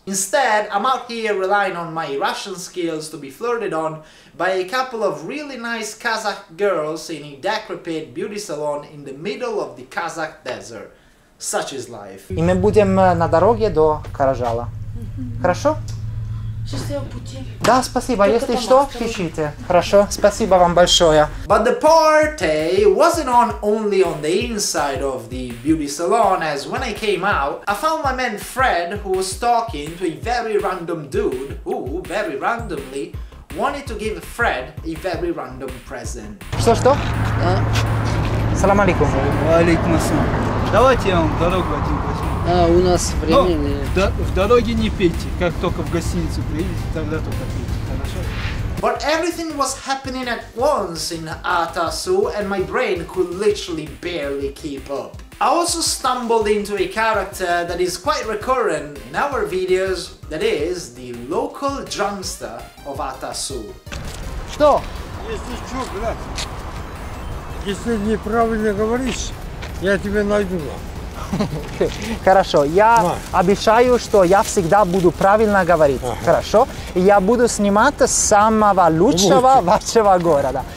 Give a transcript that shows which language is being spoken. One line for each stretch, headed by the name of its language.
English: Instead, I'm out here relying on my Russian skills to be flirted on by a couple of really nice Kazakh girls in a decrepit beauty salon in the middle of the Kazakh desert. Such is life.
Russian: И мы будем на дороге до Каражала. Хорошо? Да, спасибо. Если что, пишите. Хорошо. Спасибо вам большое.
English: But the party wasn't on only on the inside of the beauty salon, as when I came out, I found my man Fred, who was talking to a very random dude, who, very randomly, wanted to give Fred a very random present.
Russian: Что? Салам алейкум. Алейкум ассалам. Давайте я вам дорогу один возьму. А, у нас времени нет. В дороге не пейте. Как только в гостиницу приедете, тогда только пейте. Хорошо?
English: But everything was happening at once in Atasu, and my brain could literally barely keep up. I also stumbled into a character that is quite recurrent in our videos, that is the local drumster of Atasu.
Russian: Что? Если что, блядь, если неправильно говоришь, я тебя найду. Хорошо, я обещаю, что я всегда буду правильно говорить. Хорошо? Я буду снимать самого лучшего вашего города.